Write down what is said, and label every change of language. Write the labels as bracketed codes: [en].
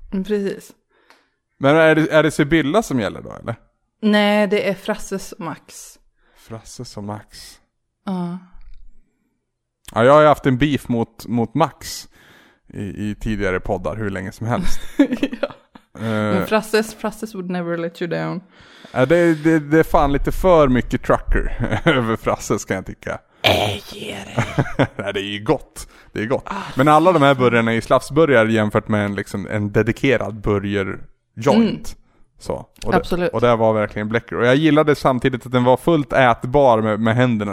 [sv] Precis. Men är det Sibylla som gäller då, eller? Nej, det är Frasses och Max. Frasses och Max. Ja. Ja, jag har ju haft en beef mot Max i tidigare poddar hur länge som helst. [en] Men Frasses would never let you down. [sv] Det är fan lite för mycket trucker över Frasses, kan jag tycka. Äger. Nej, det är ju gott. Det är gott. Ah, men alla de här burgarna är ju slavsburgar jämfört med en, liksom, en dedikerad burger joint. Mm. Så. Och det, absolut. Och det var verkligen bläcker. Och jag gillade samtidigt att den var fullt ätbar med händerna.